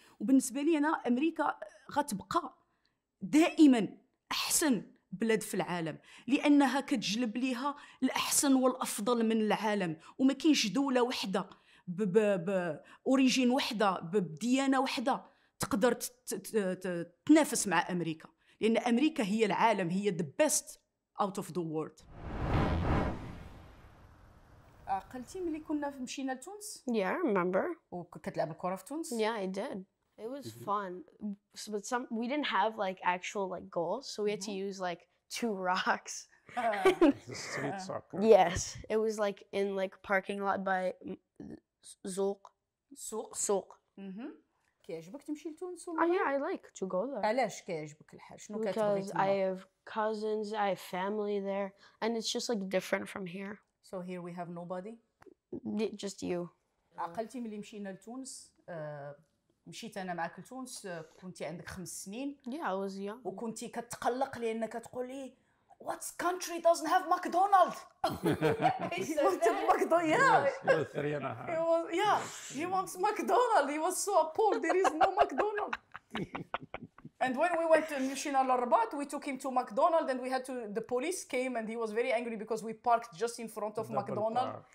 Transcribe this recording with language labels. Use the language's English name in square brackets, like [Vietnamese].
[Arabic] وبالنسبة لي أنا أمريكا غتبقى دائما أحسن بلد في العالم، لأنها كتجلب ليها الأحسن والأفضل من العالم، وما كاينش دولة وحدة بأوريجين وحدة بديانة وحدة تقدر تنافس مع أمريكا، لأن أمريكا هي العالم، هي [English] the best out of the world. [Arabic] عقلتي ملي كنا مشينا لتونس؟ [English] Yeah, I remember. [Arabic] وكتلعب الكرة في تونس؟ [English] Yeah, I did. It was fun, but we didn't have like actual like goals, so we had to use like two rocks. Street soccer. Yes, it was like in like parking lot by Zouk. Souk. Souk. [Arabic] كيعجبك تمشي لتونس ولا؟ [English] Yeah, I like to go there. [Arabic] علاش كيعجبك الحال؟ شنو كتبغي تما؟ [English] Because I have cousins, I have family there, and it's just like different from here. So here we have nobody. Just you. [Arabic] عقلتي ملي مشينا لتونس. مشيت أنا معك لتونس، كنتي عندك 5 سنين. [English] Yeah, I was young. [Arabic] وكنتي كتقلق لأنك تقولي [English] What country doesn't have McDonald's? He said McDonald's. Yeah, he wants McDonald's. He was so appalled. There is no McDonald's. And when we went to [Arabic] Mishina Larbat, [English] we took him to McDonald's and the police came and he was very angry because we parked just in front of McDonald's.